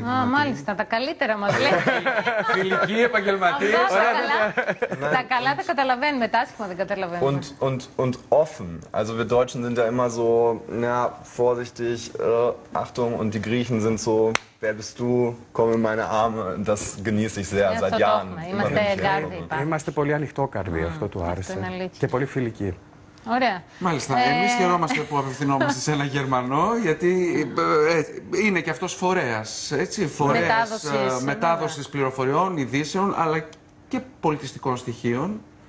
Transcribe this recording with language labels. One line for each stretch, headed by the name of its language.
Greek: Μάλιστα, τα καλύτερα μας λέει. Φιλική, επαγγελματία. Τα καλά τα καταλαβαίνουμε, τα άσχημα δεν καταλαβαίνουμε.
German: Und offen. Also wir Deutschen sind ja immer so, ja, vorsichtig, Achtung, und die Griechen sind so, wer bist du, komm in meine Arme. Das genieße ich sehr, seit Jahren.
Greek: Είμαστε πολύ ανοιχτόκαρδοι, αυτό του άρεσε. Και πολύ φιλικοί. Ωραία. Μάλιστα. Εμείς χαιρόμαστε που απευθυνόμαστε σε ένα Γερμανό, γιατί είναι και αυτός φορέας, έτσι, φορέας μετάδοσης πληροφοριών, ειδήσεων, αλλά και πολιτιστικών στοιχείων.